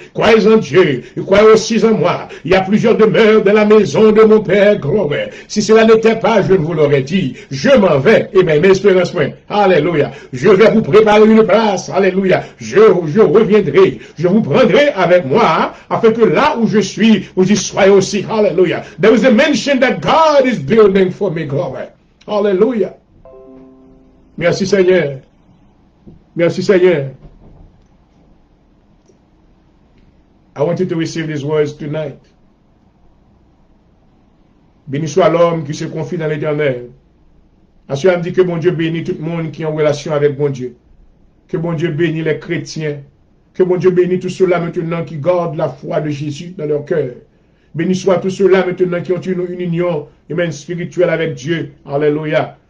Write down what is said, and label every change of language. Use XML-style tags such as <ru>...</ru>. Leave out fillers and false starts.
<fr>Croyez en Dieu, et croyez aussi en moi. Il y a plusieurs demeures dans la maison de mon Père, glory. Si cela n'était pas, je ne vous l'aurais dit. Je m'en vais, amen. Espérance point, hallelujah. Je vais vous préparer une place, hallelujah. Je reviendrai, je vous prendrai avec moi, afin que là où je suis, où j'y sois aussi. Hallelujah.</fr> <en>There is a mention that God is building for me, glory. Hallelujah.</en> <fr>Merci Seigneur. Merci Seigneur.</fr> <en>I want you to receive these words tonight.</en> <fr>Béni soit l'homme qui se confie dans l'Éternel. Assurez-vous dit que bon Dieu bénit tout le monde qui est en relation avec bon Dieu. Que bon Dieu bénit les chrétiens. Que mon Dieu bénisse tous ceux-là maintenant qui gardent la foi de Jésus dans leur cœur. Béni soit tous ceux-là maintenant qui ont une union humaine spirituelle avec Dieu. Alléluia.</fr>